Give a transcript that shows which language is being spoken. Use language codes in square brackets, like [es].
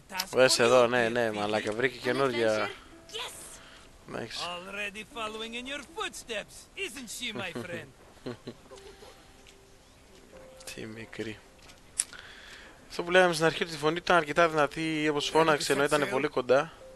[el] Βες εδώ, ναι, μαλάκα, βρήκε καινούργια. [en] Nice. Already following in your footsteps, isn't she, my friend? [el] Τι μικρή. Αυτό που λέγαμε στην αρχή, ότι η φωνή ήταν αρκετά δυνατή, όπως φώναξε, ενώ ήταν πολύ κοντά.